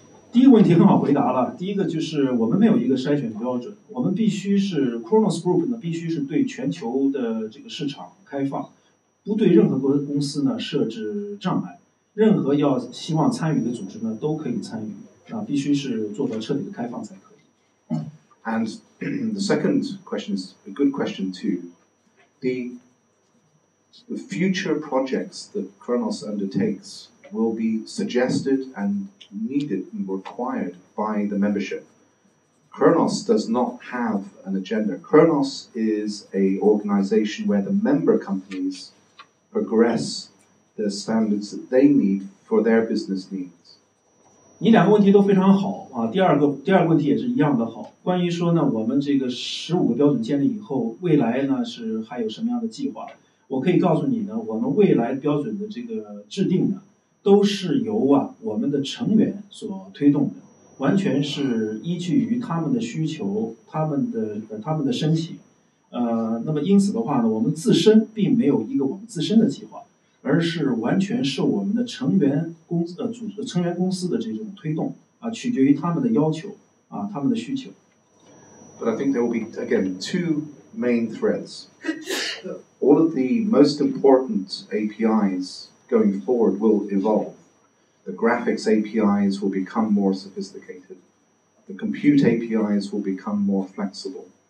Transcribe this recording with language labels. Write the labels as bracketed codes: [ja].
[zh] 第一个问题很好回答了。第一个就是我们没有一个筛选标准，我们必须是 Khronos Group 呢，必须是对全球的这个市场开放，不对任何公司呢设置障碍，任何要希望参与的组织呢都可以参与。必须是做到彻底的开放才可以。 [en] And the second question is a good question too. The future projects that Khronos undertakes will be suggested and needed and required by the membership. Khronos does not have an agenda. Khronos is an organization where the member companies progress the standards that they need for their business needs. [zh] 你两个问题都非常好啊，第二个问题也是一样的好。关于说呢，我们这个15个标准建立以后，未来呢是还有什么样的计划？我可以告诉你呢，我们未来标准的这个制定呢，都是由我们的成员所推动的，完全是依据于他们的需求、他们的申请。那么因此的话呢，我们自身并没有一个我们自身的计划。而是完全受我们的成员公司的这种推动取决于他们的要求他们的需求。 [en] But I think there will be again two main threads. All of the most important APIs going forward will evolve. The graphics APIs will become more sophisticated. The compute APIs will become more flexible.